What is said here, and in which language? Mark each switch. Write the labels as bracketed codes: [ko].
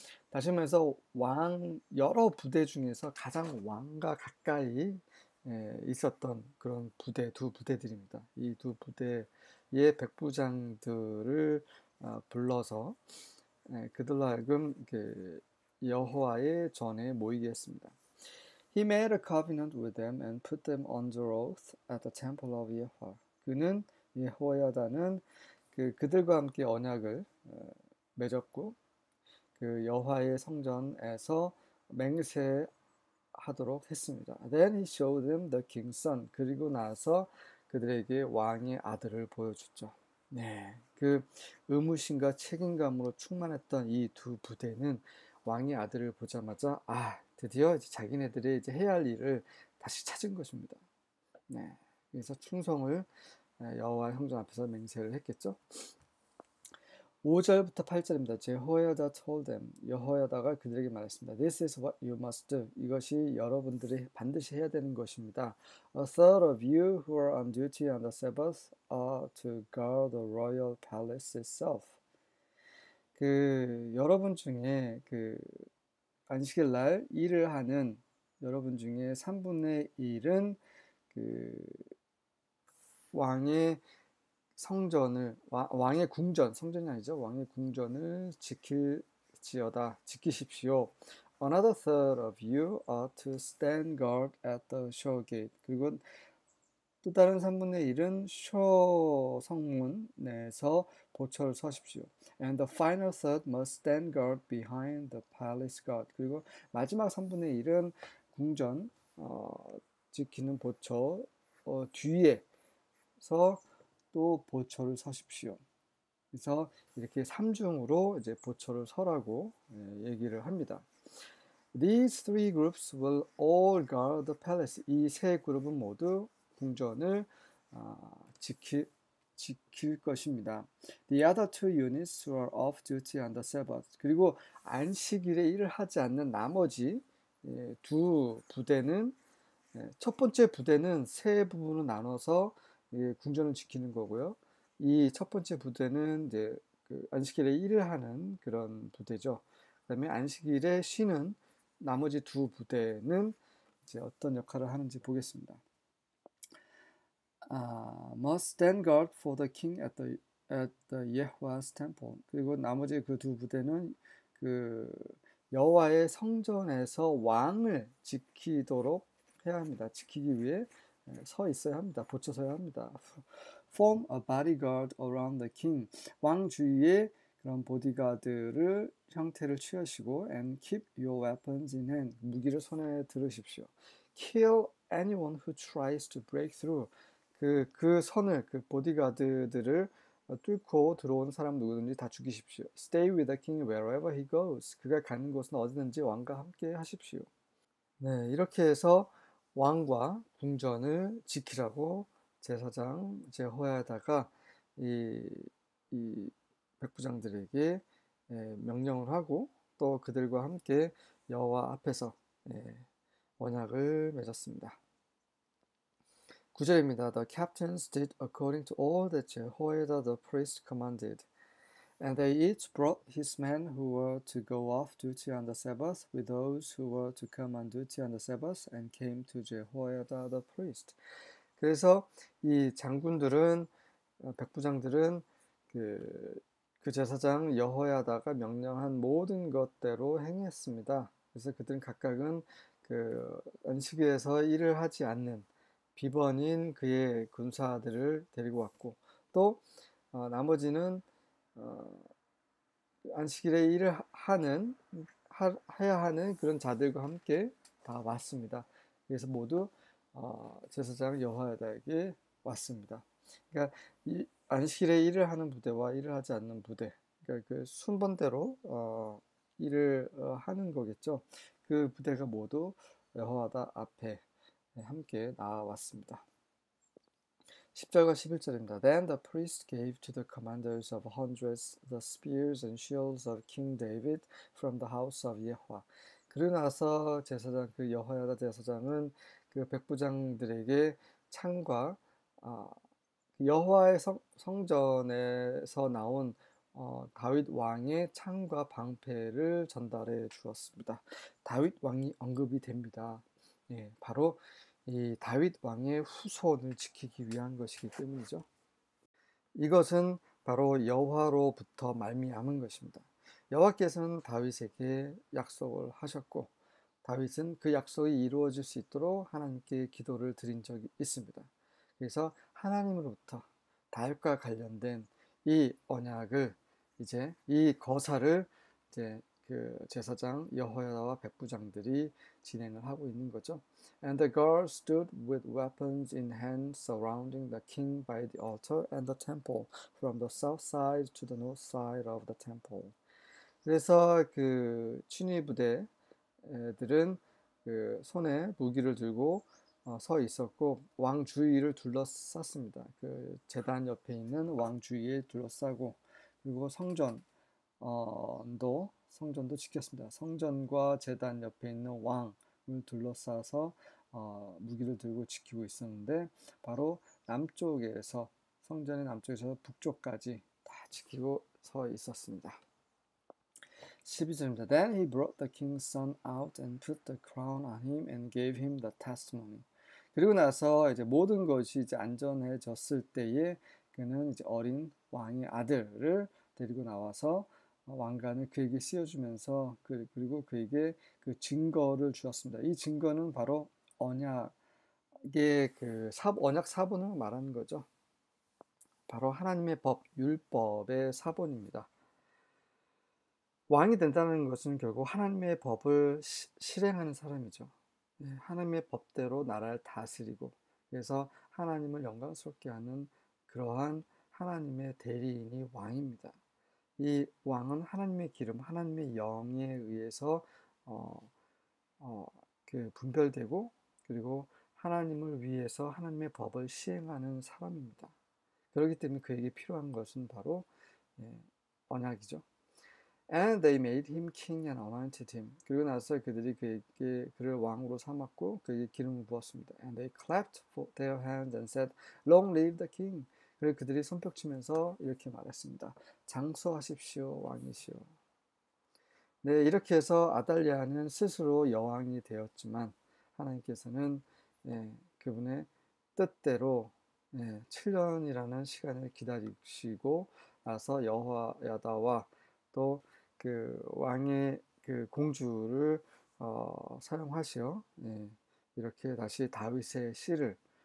[ko] 다시 말해서 왕 여러 부대 중에서 가장 왕과 가까이 있었던 그런 부대 두 부대들입니다. 이두 부대의 백부장들을 불러서 그들로 하여금 여호와의 전에 모이게 했습니다. [en] He made a covenant with them and put them under oath at the temple of Yehovah. [ko] 그는 여호야다는 그들과 함께 언약을 맺었고 그 여호와의 성전에서 맹세하도록 했습니다. [en] Then he showed them the king's son. [ko] 그리고 나서 그들에게 왕의 아들을 보여줬죠. 네. 그 의무심과 책임감으로 충만했던 이두 부대는 왕의 아들을 보자마자 아, 드디어 이제 자기네들이 이제 해야 할 일을 다시 찾은 것입니다. 네. 그래서 충성을 여호와 성전 앞에서 맹세를 했겠죠. 5절부터 8절입니다. 여호야다 [en] told them. [ko] 여호야다가 그들에게 말했습니다. [en] This is what you must do. [ko] 이것이 여러분들이 반드시 해야 되는 것입니다. [en] A third of you who are on duty on the Sabbath are to guard the royal palace itself. [ko] 여러분 중에 안식일 날 일을 하는 여러분 중에 3분의 1은 왕의 성전을 왕의 궁전 성전이 아니죠. 왕의 궁전을 지킬지어다. 지키십시오. [en] Another third of you are to stand guard at the show gate. [ko] 그리고 또 다른 3분의 1은 쇼 성문 내에서 보초를 서십시오. [en] And the final third must stand guard behind the palace guard. [ko] 그리고 마지막 3분의 1은 궁전 지키는 보초 뒤에서 또 보초를 서십시오. 그래서 이렇게 삼중으로 이제 보초를 서라고 얘기를 합니다. [en] These three groups will all guard the palace. [ko] 이세 그룹은 모두 궁전을 지킬 것입니다. [en] The other two units who are off duty on the Sabbath. [ko] 그리고 안식일에 일을 하지 않는 나머지 두 부대는 첫 번째 부대는 세 부분으로 나눠서 궁전을 지키는 거고요. 이첫 번째 부대는 이제 안식일에 일을 하는 그런 부대죠. 그다음에 안식일에 쉬는 나머지 두 부대는 이제 어떤 역할을 하는지 보겠습니다. [en] Must stand guard for the king at the Yehovah's temple. [ko] 그리고 나머지 그두 부대는 여호와의 성전에서 왕을 지키도록 해야 합니다. 지키기 위해 서 있어야 합니다. 보초 서야 합니다. [en] Form a bodyguard around the king. [ko] 왕 주위에 그런 보디가드를 형태를 취하시고 [en] and keep your weapons in hand. [ko] 무기를 손에 들으십시오. [en] Kill anyone who tries to break through. [ko] 그 선을 그 보디가드들을 뚫고 들어온 사람 누구든지 다 죽이십시오. [en] Stay with the king wherever he goes. [ko] 그가 가는 곳은 어디든지 왕과 함께 하십시오. 네, 이렇게 해서 왕과 궁전을 지키라고 제사장 제호야다가 이 백부장들에게 명령을 하고 또 그들과 함께 여호와 앞에서 언약을 맺었습니다. 9절입니다. [en] The captains did according to all that Jehoiada the priest commanded, and they each brought his men who were to go off duty on the Sabbath with those who were to come on duty on the Sabbath and came to Jehoiada the priest. [ko] 그래서 이 장군들은 백부장들은 그 제사장 여호야다가 명령한 모든 것대로 행했습니다. 그래서 그들은 각각은 안식일에서 일을 하지 않는 비번인 그의 군사들을 데리고 왔고, 또 나머지는 안식일에 일을 해야 하는 그런 자들과 함께 다 왔습니다. 그래서 모두 제사장 여호야다에게 왔습니다. 그러니까 이 안식일에 일을 하는 부대와 일을 하지 않는 부대, 그러니까 그 순번대로 일을 하는 거겠죠. 그 부대가 모두 여호와다 앞에 함께 나왔습니다. 10절과 11절입니다. [en] Then the priest gave to the commanders of hundreds the spears and shields of King David from the house of Yehovah. [ko] 그러고 나서 제사장 그 여호야다 제사장은 그 백부장들에게 창과 여호와의 성전에서 나온 다윗 왕의 창과 방패를 전달해 주었습니다. 다윗 왕이 언급이 됩니다. 예, 바로 이 다윗 왕의 후손을 지키기 위한 것이기 때문이죠. 이것은 바로 여호와로부터 말미암은 것입니다. 여호와께서는 다윗에게 약속을 하셨고, 다윗은 그 약속이 이루어질 수 있도록 하나님께 기도를 드린 적이 있습니다. 그래서 하나님으로부터 다윗과 관련된 이 언약을 이제 이 거사를 이제 그 제사장 여호야다와 백부장들이 진행을 하고 있는 거죠. [en] And the guards stood with weapons in hand surrounding the king by the altar and the temple from the south side to the north side of the temple. [ko] 그래서 그 친위부대들은 그 손에 무기를 들고 서 있었고 왕 주위를 둘러쌌습니다. 그 제단 옆에 있는 왕 주위에 둘러싸고 그리고 성전도 지켰습니다. 성전과 제단 옆에 있는 왕을 둘러싸서 무기를 들고 지키고 있었는데 바로 남쪽에서 성전의 남쪽에서 북쪽까지 다 지키고 서 있었습니다. 12절입니다. [en] Then he brought the king's son out and put the crown on him and gave him the testimony. [ko] 그리고 나서 이제 모든 것이 이제 안전해졌을 때에 그는 이제 어린 왕의 아들을 데리고 나와서 왕관을 그에게 씌워주면서 그리고 그에게 그 증거를 주었습니다. 이 증거는 바로 언약 사본을 말하는 거죠. 바로 하나님의 법, 율법의 사본입니다. 왕이 된다는 것은 결국 하나님의 법을 실행하는 사람이죠. 하나님의 법대로 나라를 다스리고 그래서 하나님을 영광스럽게 하는 그러한 하나님의 대리인이 왕입니다. 이 왕은 하나님의 기름, 하나님의 영에 의해서 분별되고 그리고 하나님을 위해서 하나님의 법을 시행하는 사람입니다. 그렇기 때문에 그에게 필요한 것은 바로 언약이죠. [en] And they made him king and anointed him. [ko] 그리고 나서 그들이 그를 왕으로 삼았고 그에게 기름을 부었습니다. [en] And they clapped for their hands and said, Long live the king. [ko] 그리고 그들이 손뼉치면서 이렇게 말했습니다. 장수하십시오, 왕이시오. 네, 이렇게 해서 아달랴는 스스로 여왕이 되었지만 하나님께서는 그분의 뜻대로 7년이라는 시간을 기다리시고 나서 여호야다와 또그 왕의 그 공주를 사용하시어 이렇게 다시 다윗의 씨를